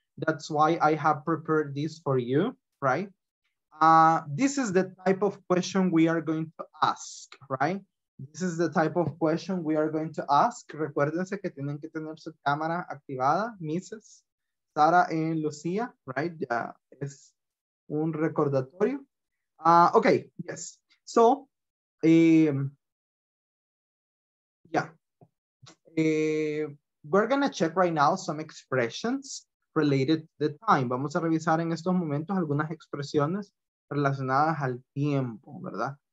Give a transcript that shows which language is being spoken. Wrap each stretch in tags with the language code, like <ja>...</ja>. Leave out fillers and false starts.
<en>That's why I have prepared this for you, right? This is the type of question we are going to ask, right? This is the type of question we are going to ask.</en> <es>Recuérdense que tienen que tener su cámara activada, Mrs. Sara and Lucia, right? Ya es un recordatorio.</es> <en>Okay, yes. So, we're going to check right now some expressions related to the time.</en> <es>Vamos a revisar en estos momentos algunas expresiones relacionadas al tiempo, ¿verdad?</es>